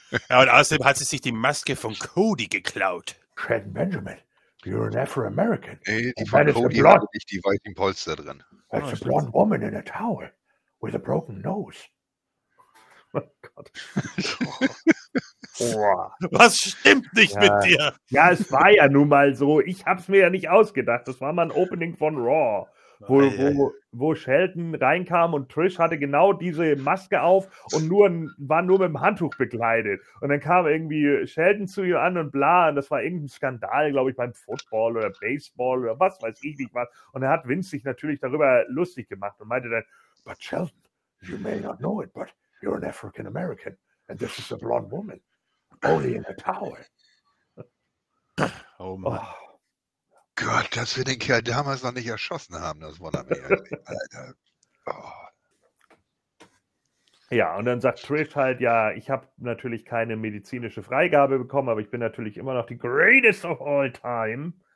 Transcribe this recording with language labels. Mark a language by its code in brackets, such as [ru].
[de] Ja, und außerdem hat sie sich die Maske von Cody geklaut. [en] Trent Benjamin. You're an Afro-American. [de] Ey, die von Cody hat nicht die weiten Polster drin. [en] That's a blonde woman in a towel with a broken nose. [de] Oh Gott. Was stimmt nicht mit dir? Ja, es war ja nun mal so. Ich hab's mir ja nicht ausgedacht. Das war mal ein Opening von Raw, wo Shelton reinkam und Trish hatte genau diese Maske auf und war nur mit dem Handtuch bekleidet. Und dann kam irgendwie Shelton zu ihr an und bla, und das war irgendein Skandal, glaube ich, beim Football oder Baseball oder was weiß ich nicht was. Und er hat Vince sich natürlich darüber lustig gemacht und meinte dann, [en] but Shelton, you may not know it, but you're an African-American and this is a blonde woman, only in a towel. [de] Oh Mann. Oh. Gott, dass wir den Kerl damals noch nicht erschossen haben, das wundert mich. Alter. Oh. Ja, und dann sagt Trish halt, ja, ich habe natürlich keine medizinische Freigabe bekommen, aber ich bin natürlich immer noch die [en] greatest of all time.